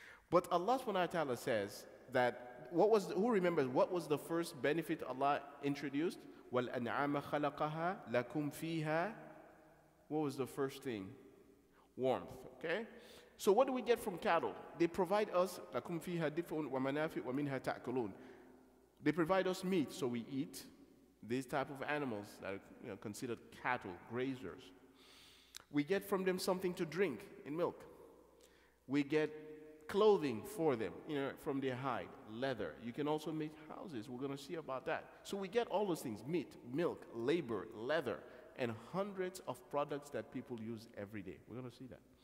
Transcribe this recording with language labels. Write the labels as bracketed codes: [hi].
[en] But Allah subhanahu wa ta'ala says that, who remembers what was the first benefit Allah introduced? [ar] وَالْأَنْعَامَ خَلَقَهَا لَكُمْ فِيهَا. [en] What was the first thing? Warmth, okay? So what do we get from cattle? They provide us, [ar] لَكُمْ فِيهَا دِفْءٌ وَمَنَافِئٌ وَمِنْهَا تَأْكُلُونَ. [en] They provide us meat, so we eat these type of animals that are, you know, considered cattle, grazers. We get from them something to drink in milk. We get clothing for them, you know, from their hide, leather. You can also make houses. We're going to see about that. So we get all those things, meat, milk, labor, leather, and hundreds of products that people use every day. We're going to see that.